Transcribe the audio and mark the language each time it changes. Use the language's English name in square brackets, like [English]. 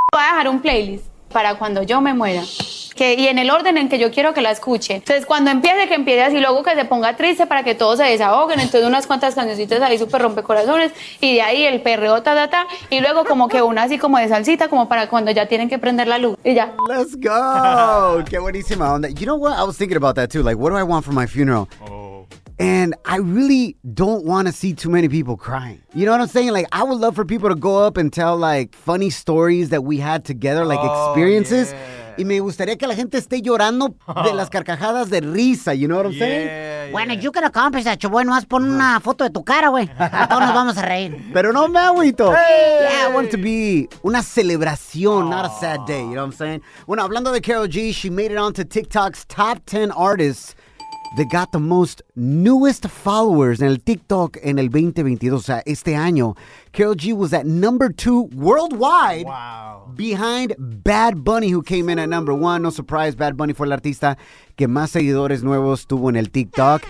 [Spanish] Va a dejar un playlist para cuando yo me muera. Que, y en el orden en que yo quiero que la escuche. Entonces, cuando empiece, que empiece así, luego que se ponga triste para que todos se desahoguen. Entonces, unas cuantas cancioncitas ahí súper rompecorazones. Y de ahí el perreo, ta, ta, ta. Y luego como que una así como de salsita, como para cuando ya tienen que prender la luz. Y ya. [English] Let's go. [Spanish] Qué buenísima onda. [English] You know what? I was thinking about that too. Like, what do I want for my funeral? Oh. And I really don't want to see too many people crying. You know what I'm saying? Like, I would love for people to go up and tell, like, funny stories that we had together, like, experiences. [Spanish] Yeah. Y me gustaría que la gente esté llorando de las carcajadas de risa. [English] You know what I'm saying? [Spanish] Bueno, [English] you can accomplish that, [Spanish] Chubo. Nomás pon una foto de tu cara, güey. A todos nos vamos a reír. Pero no me agüito. [English] Hey. Yeah, I want it to be [Spanish] una celebración, [English] not a sad day. You know what I'm saying? Bueno, hablando de Karol G, she made it onto TikTok's top 10 artists that got the most newest followers [Spanish] en el TikTok en el [English] 2022. [Spanish] O sea, este año, [English] Karol G was at number 2 worldwide. Wow. Behind Bad Bunny, who came in at number 1. No surprise, [Spanish] Bad Bunny fue el artista que más seguidores nuevos tuvo en el TikTok.